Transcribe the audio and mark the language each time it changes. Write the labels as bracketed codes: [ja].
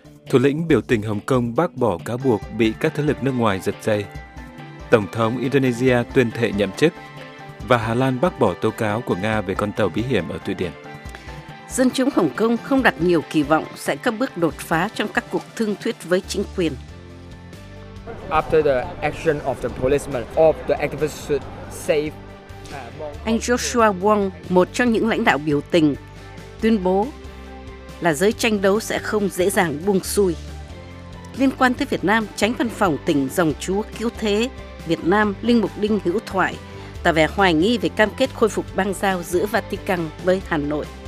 [vi] Thủ lĩnh biểu tình Hồng Kông bác bỏ cáo buộc bị các thế lực nước ngoài giật dây. Tổng thống Indonesia tuyên thệ nhậm chức. Và Hà Lan bác bỏ tố cáo của Nga về con tàu bí hiểm ở Thụy Điển. Dân chúng Hồng Kông không đặt nhiều kỳ vọng sẽ có bước đột phá trong các cuộc thương thuyết với chính quyền. [en] After the action of the policeman, all the activists should save. [vi] Anh Joshua Wong, một trong những lãnh đạo biểu tình, tuyên bố là giới tranh đấu sẽ không dễ dàng buông xuôi. Liên quan tới Việt Nam, Chánh Văn phòng tỉnh Dòng Chúa Cứu Thế Việt Nam Linh Mục Đinh Hữu Thoại tỏ vẻ hoài nghi về cam kết khôi phục bang giao giữa Vatican với Hà Nội.